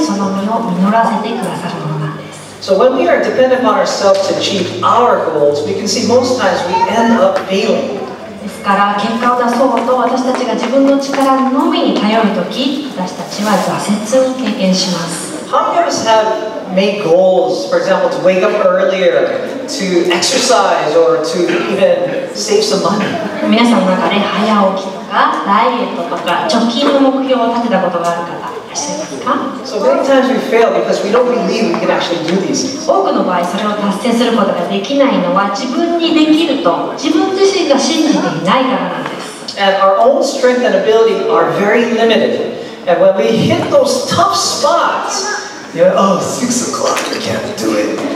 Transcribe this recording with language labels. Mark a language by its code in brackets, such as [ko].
[ja] 自制は神様に栄光を返すものであり、神様が私たちの中にその実を実らせてくださるものなんです。 [en] So when we are dependent upon ourselves to achieve our goals, we can see most times we end up failing. [ja] ですから結果を出そうと私たちが自分の力のみに頼るとき、私たちは挫折を経験します。 [en] How many of us have made goals, for example, to wake up earlier, to exercise, or to even save some money? [ja] 皆さんの中で早起きとかダイエットとか貯金の目標を立てたことがある方いらっしゃいますか? [en] So many times we fail because we don't believe we can actually do these things. [ja] 多くの場合それを達成することができないのは自分自身が信じていないからなんです。 [en] And our own strength and ability are very limited. And when we hit those tough spots, you're like, oh, 6 o'clock, I can't do it.